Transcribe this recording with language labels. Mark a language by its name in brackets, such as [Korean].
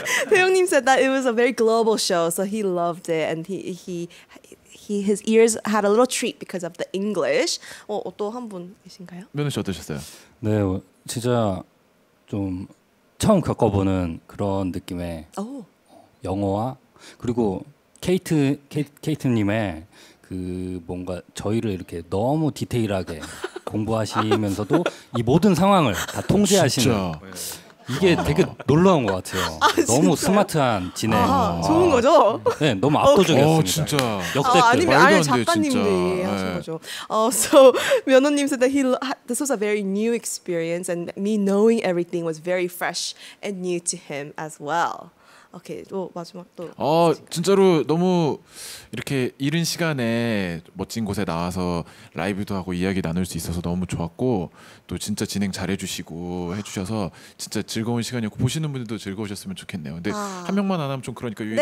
[English] 태용님 said that it was a very global show, so he loved it and he his ears had a little treat because of the English. [Korean] 또 한 분이신가요? 면우 씨 어떠셨어요? 네, 진짜 좀 처음 겪어보는 그런 느낌의 영어와 그리고 케이트님의 그 뭔가 저희를 이렇게 너무 디테일하게 공부하시면서도 이 모든 상황을 다 통제하시는 이게 되게 놀라운 것 같아요. 너무 스마트한 진행. 좋은 거죠? 네, 너무 압도적이었습니다. 진짜. 역대급. 아니면 아예 작가님들이 하신 거죠. [English] So 면호님 said that this was a very new experience and me knowing everything was very fresh and new to him as well. [Korean] 오케이, 마지막 또. 진짜로 너무 이렇게 이른 시간에 멋진 곳에 나와서 라이브도 하고 이야기 나눌 수 있어서 너무 좋았고 또 진짜 진행 잘해주시고 해주셔서 진짜 즐거운 시간이었고 보시는 분들도 즐거우셨으면 좋겠네요. 근데 한 명만 안 하면 좀 그러니까 유인도.